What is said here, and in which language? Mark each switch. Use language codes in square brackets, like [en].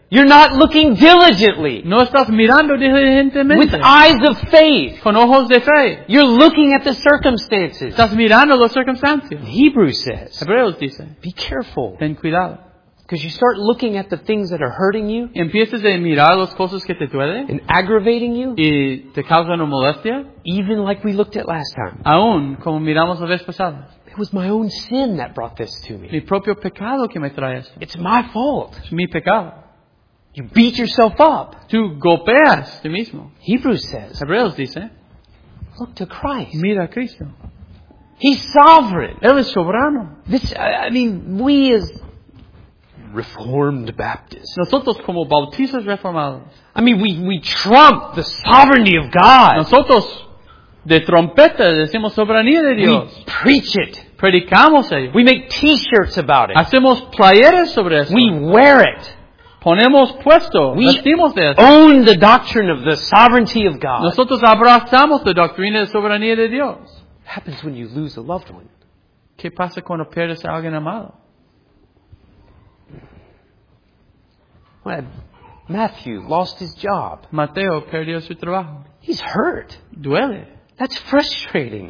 [en] You're not looking diligently. [es] No estás mirando diligentemente. [en] With eyes of faith. [es] Con ojos de fe. [en] You're looking at the circumstances. [es] Estás mirando las circunstancias. [en] Hebrews says. [es] Hebreos dice. [en] Be careful. [es] Ten cuidado. [en] Because you start looking at the things that are hurting you. [es] Empiezas a mirar las cosas que te duelen. [en] And aggravating you. [es] Y te causan una molestia. [en] Even like we looked at last time. [es] Aún como miramos la vez pasada. [en] It was my own sin that brought this to me. [es] Mi propio pecado que me trae esto. [en] It's my fault. [es] Es mi pecado. [en] You beat yourself up. [es] Tú golpeas tú mismo. [en] Hebrews says. [es] Hebreos dice. [en] Look to Christ. [es] Mira a Cristo. [en] He's sovereign. [es] Él es soberano. [en] We as Reformed Baptists. [es] Nosotros como bautistas reformados. [en] We trump the sovereignty of God. [es] Nosotros de trompeta decimos soberanía de Dios. [en] We preach it. [es] Predicamos ello. [en] We make t-shirts about it. [es] Hacemos playeras sobre eso. [en] We wear it. [es] Ponemos puesto. [en] We [es] vestimos de eso. [en] Own the doctrine of the sovereignty of God. [es] Nosotros abrazamos la doctrina de soberanía de Dios. [en] What happens when you lose a loved one? [es] ¿Qué pasa cuando pierdes a alguien amado? [en] When Matthew lost his job. [es] Mateo perdió su trabajo. [en] He's hurt. [es] Duele. [en] That's frustrating.